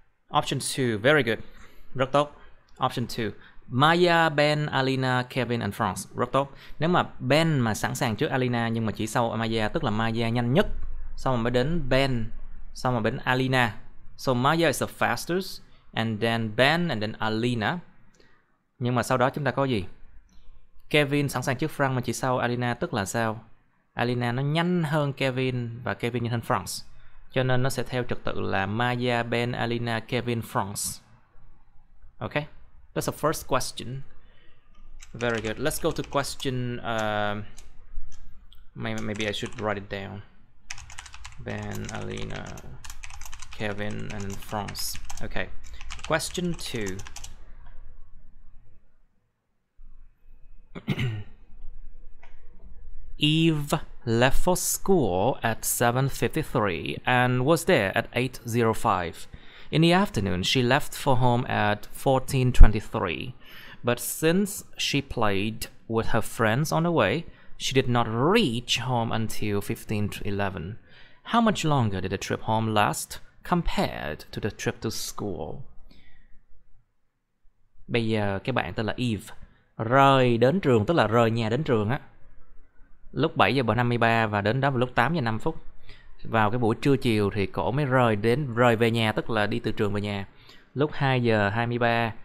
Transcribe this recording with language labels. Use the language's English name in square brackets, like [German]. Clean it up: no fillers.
[English] Option 2, very good. [Vietnamese] Rất tốt. [English] Option 2. Maya, Ben, Alina, Kevin and Franz. [Vietnamese] Rất tốt. Nếu mà Ben mà sẵn sàng trước Alina nhưng mà chỉ sau Maya, tức là Maya nhanh nhất, xong rồi mới đến Ben, xong rồi đến Alina. [English] So Maya is the fastest, and then Ben, and then Alina. [Vietnamese] Nhưng mà sau đó chúng ta có gì? Kevin sẵn sàng trước Franz mà chỉ sau Alina, tức là sao? Alina nó nhanh hơn Kevin và Kevin nhanh hơn Franz. Cho nên nó sẽ theo trật tự là Maya, Ben, Alina, Kevin, Franz. [English] Okay, that's the first question. Very good. Let's go to question. Maybe I should write it down. Ben, Alina, Kevin and Franz. Okay. Question 2. Eve left for school at 7:53 and was there at 8:05. In the afternoon, she left for home at 14:23. But since she played with her friends on the way, she did not reach home until 10:55. How much longer did the trip home last compared to the trip to school? [Vietnamese] Bây giờ cái bạn tên là Eve rời đến trường, tức là rời nhà đến trường á, lúc 7:53 và đến đó vào lúc 8:05. Vào cái buổi trưa chiều thì cổ mới rời về nhà, tức là đi từ trường về nhà lúc 2:23.